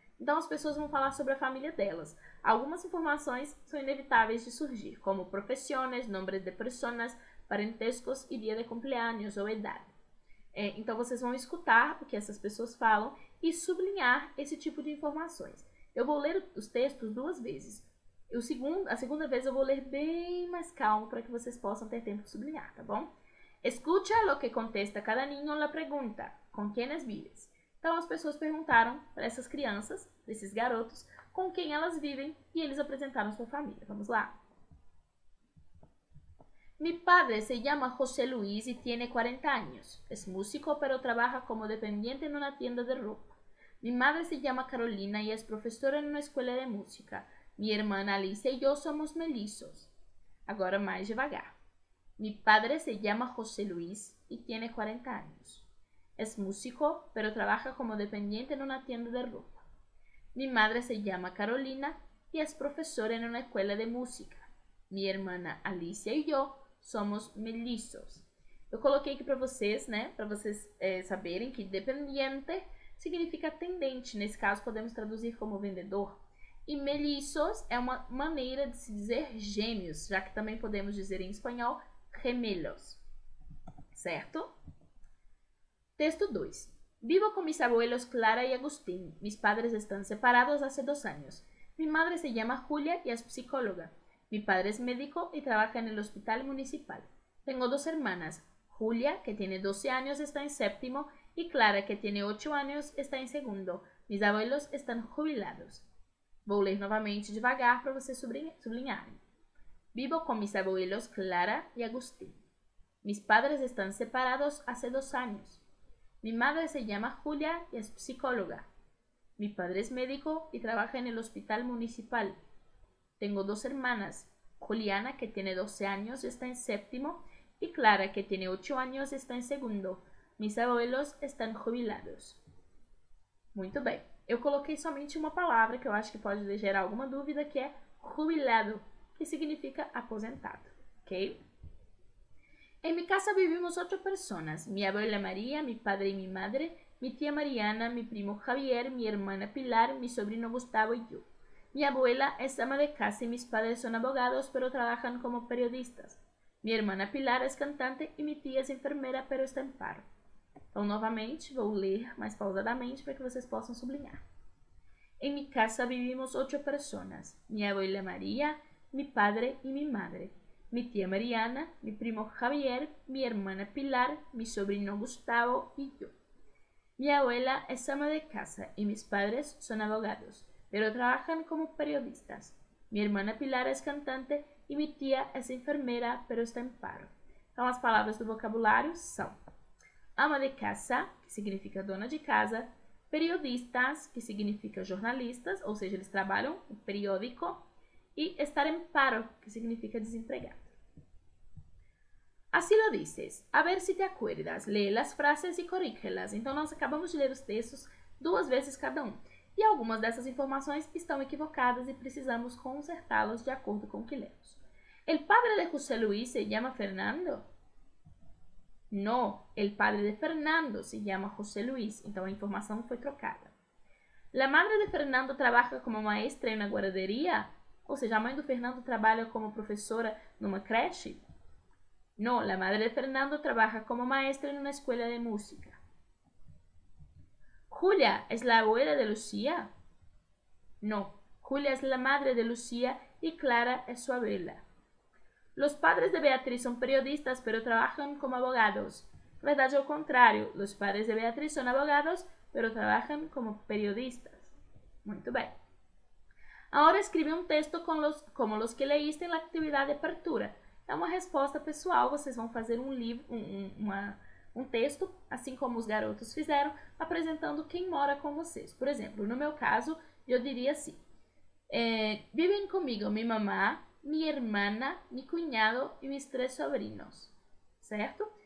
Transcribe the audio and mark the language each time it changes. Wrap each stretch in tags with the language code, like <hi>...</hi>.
<pt>Então, as pessoas vão falar sobre a família delas. Algumas informações são inevitáveis de surgir, como profissões, nomes de pessoas, parentescos e dia de cumpleaños ou idade. Então, vocês vão escutar o que essas pessoas falam e sublinhar esse tipo de informações. Eu vou ler os textos duas vezes. A segunda vez eu vou ler bem mais calmo para que vocês possam ter tempo de sublinhar, tá bom?</pt> <es>Escucha lo que contesta cada niño la pregunta. ¿Con quiénes vives?</es> <pt>Então, as pessoas perguntaram para essas crianças, esses garotos, com quem elas vivem e eles apresentaram sua família. Vamos lá.</pt> <es>Mi padre se llama José Luis y tiene 40 años. Es músico, pero trabaja como dependiente en una tienda de ropa. Mi madre se llama Carolina y es profesora en una escuela de música. Mi hermana Alicia y yo somos mellizos. Ahora más devagar. Mi padre se llama José Luis y tiene 40 años. Es músico, pero trabaja como dependiente en una tienda de ropa. Mi madre se llama Carolina y es profesora en una escuela de música. Mi hermana Alicia y yo somos mellizos.</es> <pt>Eu coloquei aqui para vocês, né, para vocês saberem que dependiente significa atendente. Nesse caso, podemos traduzir como vendedor. E mellizos é uma maneira de se dizer gêmeos, já que também podemos dizer em espanhol gemelos. Certo? Texto 2.</pt> <es>Vivo com mis abuelos Clara e Agustín. Mis padres están separados hace 2 años. Mi madre se llama Julia y es psicóloga. Mi padre es médico y trabaja en el hospital municipal. Tengo 2 hermanas. Julia, que tiene 12 años, está en séptimo. Y Clara, que tiene 8 años, está en segundo. Mis abuelos están jubilados. Voy a leer nuevamente devagar para ustedes sublinharem. Vivo con mis abuelos Clara y Agustín. Mis padres están separados hace 2 años. Mi madre se llama Julia y es psicóloga. Mi padre es médico y trabaja en el hospital municipal. Tengo 2 hermanas, Juliana, que tiene 12 años, está en séptimo, y Clara, que tiene 8 años, está en segundo. Mis abuelos están jubilados.</es> <pt>Muito bem. Eu coloquei somente uma palavra que eu acho que pode gerar alguma dúvida, que é jubilado, que significa aposentado. Ok?</pt> <es>En mi casa vivimos 8 personas, mi abuela María, mi padre y mi madre, mi tía Mariana, mi primo Javier, mi hermana Pilar, mi sobrino Gustavo y yo. Mi abuela es ama de casa y mis padres son abogados, pero trabajan como periodistas. Mi hermana Pilar es cantante y mi tía es enfermera, pero está en paro.</es> <pt>Então, novamente, vou ler mais pausadamente para que vocês possam sublinhar.</pt> <es>En mi casa vivimos 8 personas. Mi abuela María, mi padre y mi madre. Mi tía Mariana, mi primo Javier, mi hermana Pilar, mi sobrino Gustavo y yo. Mi abuela es ama de casa y mis padres son abogados, pero trabajan como periodistas. Mi hermana Pilar es cantante y mi tía es enfermera, pero está en paro.</es> <pt>Então, as palavras do vocabulário são ama de casa, que significa dona de casa, periodistas, que significa jornalistas, ou seja, eles trabalham no periódico, e estar en paro, que significa desempregado.</pt> <es>Así lo dices, a ver si te acuerdas, lee las frases y corrígelas.</es> <pt>Então, nós acabamos de ler os textos 2 vezes cada um. E algumas dessas informações estão equivocadas e precisamos consertá-las de acordo com o que lemos.</pt> <es>El padre de José Luis se llama Fernando? No, el padre de Fernando se llama José Luis.</es> <pt>Então, a informação foi trocada.</pt> <es>La madre de Fernando trabaja como maestra en una guardería. O sea,</es> <pt>la mãe do Fernando trabalha como professora numa creche? Não, a madre de Fernando trabalha como maestra em uma escola de música. Julia é a abuela de Lucía? Não, Julia é a madre de Lucía e Clara é sua abuela. Os padres de Beatriz são periodistas, mas trabalham como abogados. Verdade ao contrário, os padres de Beatriz são abogados, mas trabalham como periodistas. Muito bem.</pt> <es>Ahora escribe un texto como los que leíste en la actividad de apertura. Es una respuesta personal. Ustedes van a hacer un libro, un texto, así como los garotos hicieron, presentando quién mora con ustedes. Por ejemplo, en mi caso, yo diría así. Viven conmigo mi mamá, mi hermana, mi cuñado y mis tres sobrinos. ¿Cierto?</es>